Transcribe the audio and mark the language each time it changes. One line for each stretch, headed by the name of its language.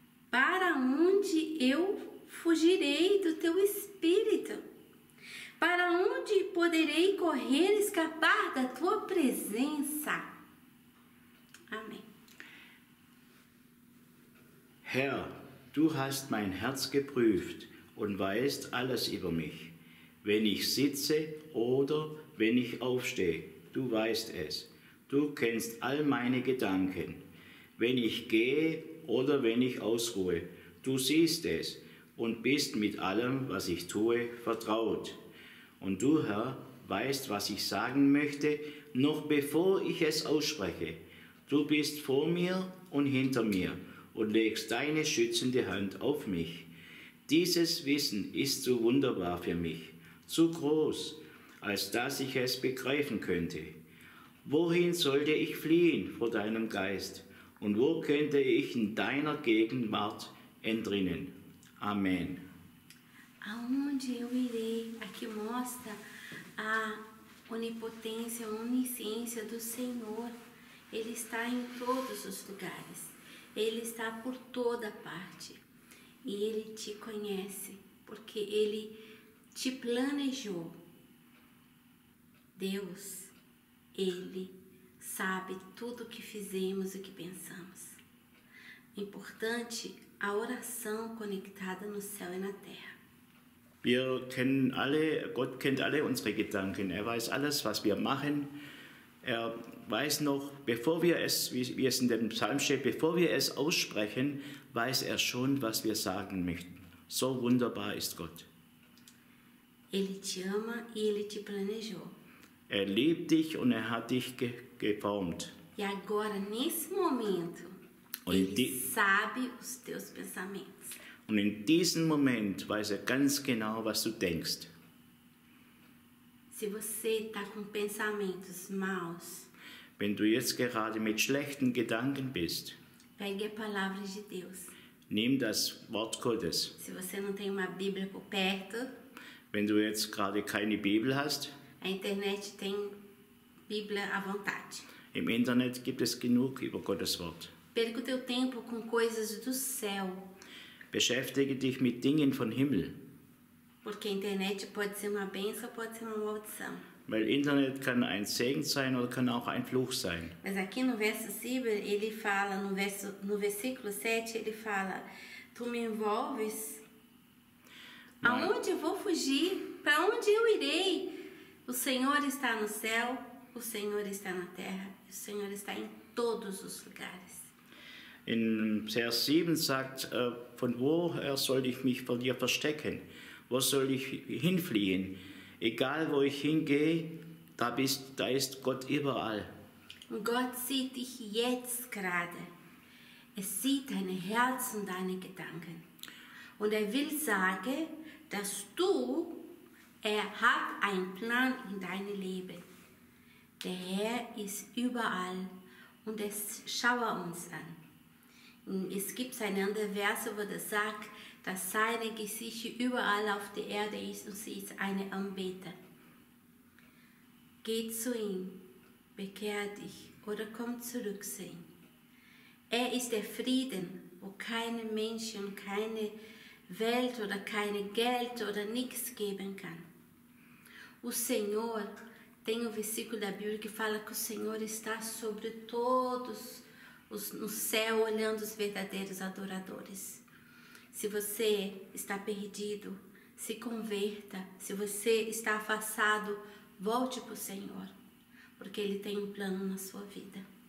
Portuguese: Para onde eu fugirei do teu espírito? Para onde poderei correr e escapar da tua presença? Amém.
German: Herr, du hast mein Herz geprüft und weißt alles über mich. Wenn ich sitze oder wenn ich aufstehe, du weißt es. Du kennst all meine Gedanken. Wenn ich gehe oder wenn ich ausruhe. Du siehst es und bist mit allem, was ich tue, vertraut. Und du, Herr, weißt, was ich sagen möchte, noch bevor ich es ausspreche. Du bist vor mir und hinter mir und legst deine schützende Hand auf mich. Dieses Wissen ist zu wunderbar für mich, zu groß, als dass ich es begreifen könnte. Wohin sollte ich fliehen vor deinem Geist? Und wo könnte ich in deiner Gegenwart entrinnen? Amen.
Portuguese: Aonde eu irei? Aqui mostra a onipotência, a onisciência do Senhor. Ele está em todos os lugares. Ele está por toda parte. E Ele te conhece, porque Ele te planejou. Deus, Ele sabe tudo o que fizemos e o que pensamos. Importante a oração conectada no céu e na terra.
German: Wir kennen alle, Gott kennt alle unsere Gedanken. Er weiß alles, was wir machen. Er weiß noch, bevor wir es, wie es in dem Psalm steht, bevor wir es aussprechen, weiß er schon, was wir sagen möchten. So wunderbar ist Gott.
Portuguese: Ele te ama e Ele te planejou.
German: Er liebt dich und er hat dich geformt.
Portuguese: E agora, nesse momento, und Ele sabe os teus pensamentos.
German: Und in diesem Moment weiß er ganz genau, was du denkst.
Portuguese: Se você tá com pensamentos maus,
German: wenn du jetzt gerade mit schlechten Gedanken bist,
Portuguese: pegue a palavra de Deus.
German: Nimm das Wort Gottes.
Portuguese: Se você não tem uma Bíblia por perto,
German: wenn du jetzt gerade keine Bibel hast,
Portuguese: a internet tem Bíblia à vontade.
German: Im Internet gibt es genug über Gottes Wort.
Portuguese: Perca o teu tempo com coisas do céu.
German: Beschäftige dich mit Dingen vom Himmel.
Portuguese: Porque a internet pode ser uma bênção, pode ser uma maldição.
German: Weil Internet kann ein Segen sein oder kann auch ein Fluch sein.
Portuguese: Mas aqui no verso 7, ele fala, no versículo 7, ele fala, tu me envolves, aonde eu vou fugir, para onde eu irei? O Senhor está no céu, o Senhor está na terra, o Senhor está em todos os lugares.
German: In Vers 7 sagt, von woher soll ich mich vor dir verstecken? Wo soll ich hinfliehen? Egal wo ich hingehe, da ist Gott überall. Gott sieht dich jetzt gerade. Er sieht dein Herz und deine Gedanken. Und er will sagen, dass du, er hat einen Plan in deinem Leben. Der Herr ist überall und er schaue uns an. Es gibt ein anderes Vers, wo er sagt, dass seine Gesicht überall auf der Erde ist und sie ist eine Anbeter. Geh zu ihm, bekehr dich oder komm zurück zu ihm. Er ist der Frieden, wo keine Menschen, keine Welt oder kein Geld oder nichts geben kann.
Portuguese: O Senhor, tem um versículo da Bíblia que fala que o Senhor está sobre todos no céu, olhando os verdadeiros adoradores. Se você está perdido, se converta. Se você está afastado, volte para o Senhor, porque Ele tem um plano na sua vida.